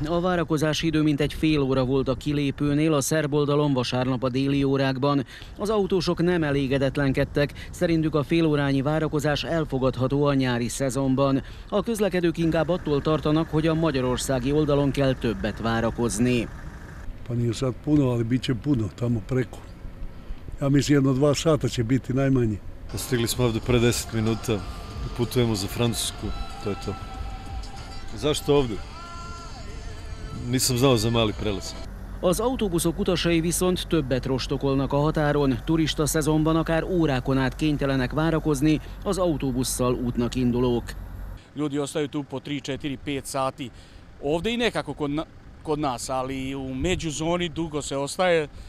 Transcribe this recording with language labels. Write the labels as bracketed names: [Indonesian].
[Hungarian] A várakozási idő mintegy fél óra volt a kilépőnél a szerb oldalon vasárnap a déli órákban. Az autósok nem elégedetlenkedtek, szerintük a fél órányi várakozás elfogadható a nyári szezonban. A közlekedők inkább attól tartanak, hogy a magyarországi oldalon kell többet várakozni. [Serbian] Panyiszat puno, ale biće puno, tamo preko. Ja mislim, jedno dva sata će biti najmanji. Stigli smo ovde pre 10 minuta. Putujemo za Francusku, to je to. Zašto ovdje? Nisam znao za mali prelaz. [Hungarian] Az autóbuszok utasai viszont többet rostokolnak a határon. Turista szezonban akár órákon át kénytelenek várakozni az autóbusszal útnak indulók. [Serbian] Ljudi ostaju tu po 3-4-5 sati. Ovde i nekako kod nas, ali u međuzoni dugo se ostaje.